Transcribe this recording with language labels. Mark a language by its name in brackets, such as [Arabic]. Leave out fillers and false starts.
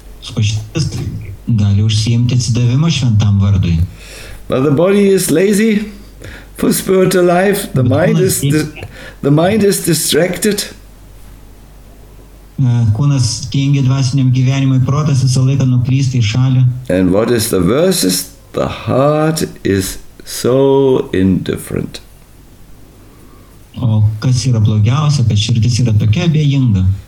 [Lithuanian] Širdis gali užsiimti atsidavimo šventam vardui. [English] But the body is lazy for spiritual life. The mind is distracted. [Lithuanian] Kūnas tingi dvasiniam gyvenimui, protas visą laiką nuklysta į šalį. [English] And what is the verses? The heart is so indifferent. [Lithuanian] O kas yra blogiausia, kad širdis yra tokia abejinga.